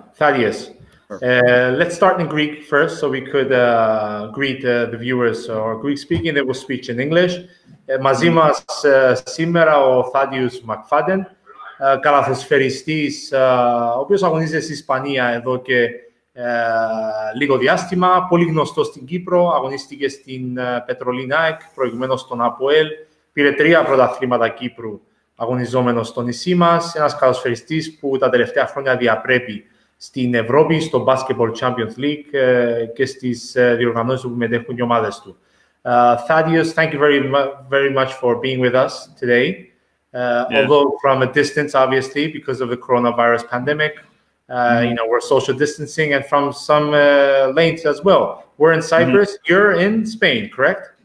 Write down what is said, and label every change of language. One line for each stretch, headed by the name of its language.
English: Thaddeus, let's start in Greek first so we could greet the viewers. So our Greek speaking, they will speak in English.
Greek: Μαζί μας σήμερα ο Θάντιους ΜακΦάντεν, καλαθοσφαιριστής, ο οποίος αγωνίζεται στην Ισπανία εδώ και λίγο διάστημα, πολύ γνωστός στην Κύπρο, αγωνίστηκε στην Πετρολή ΝΑΕΚ, προηγουμένως στον ΑΠΟΕΛ, πήρε 3 πρωταθλήματα Κύπρου. Αγωνιζόμενο στο νησί μας, ένας καλοσφαιριστής που τα τελευταία χρόνια διαπρέπει στην Ευρώπη, στο Basketball Champions League και στις διοργανώσεις που μετέχουν οι ομάδες του.
English: Thaddeus, thank you very, very much for being with us today. Yes. Although from a distance, obviously, because of the coronavirus pandemic, you know, we're social distancing and from some lanes as well. We're in Cyprus, you're in Spain, correct?